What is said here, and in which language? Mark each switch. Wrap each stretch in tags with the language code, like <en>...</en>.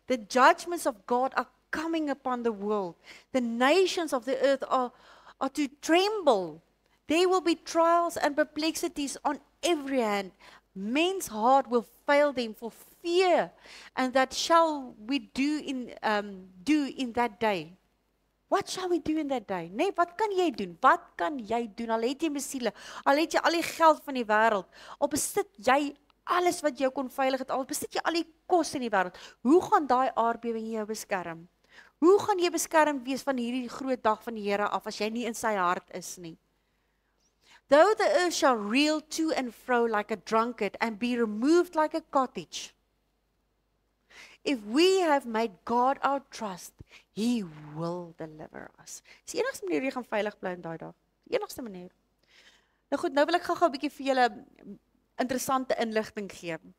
<en>The judgments of God are coming upon the world. The nations of the earth are to tremble. There will be trials and perplexities on every hand. Men's heart will fail them for fear, and that shall we do in that day. What shall we do in that day?</en> <af>Nee, wat kan jy doen? Wat kan jy doen? Al het jy mesiele, al het jy al die geld van die wêreld, al besit jy alles wat jou kon veilig het, al besit jy al die kos in die wêreld, hoe gaan daai aardbewing jou beskerm? Hoe gaan jy beskerm wees van hierdie groot dag van die Here af, as jy nie in sy hart is nie?</af> <en>Though the earth shall reel to and fro like a drunkard and be removed like a cottage, if we have made God our trust, he will deliver us.</en> <af>Dis die enigste manier jy gaan veilig bly in daai dag. Die enigste manier. Nou goed, nou wil ek gou-gou 'n bietjie vir julle interessante inligting gee.</af>